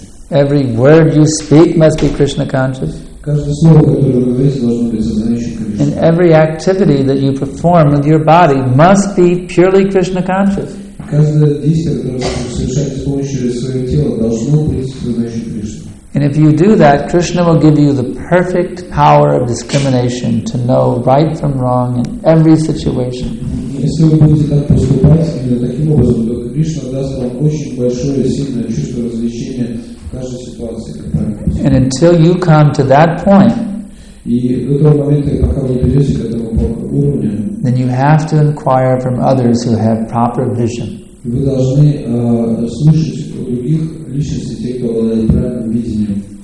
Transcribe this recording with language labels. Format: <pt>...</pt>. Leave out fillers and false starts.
<en>Every word you speak must be Krishna conscious. And every activity that you perform with your body must be purely Krishna conscious. And if you do that, Krishna will give you the perfect power of discrimination to know right from wrong in every situation.</en> <ru>Если вы будете так поступать, именно таким образом, то Кришна даст вам очень большое сильное чувство развлечения в каждой ситуации.</ru> <en>And until you come to that point,</en> <ru>и до того момента, пока вы придете к этому уровню,</ru> <en>then you have to inquire from others who have proper vision.</en> <ru>Вы должны слушать других личностей, тех, кто обладает правильным видением.</ru>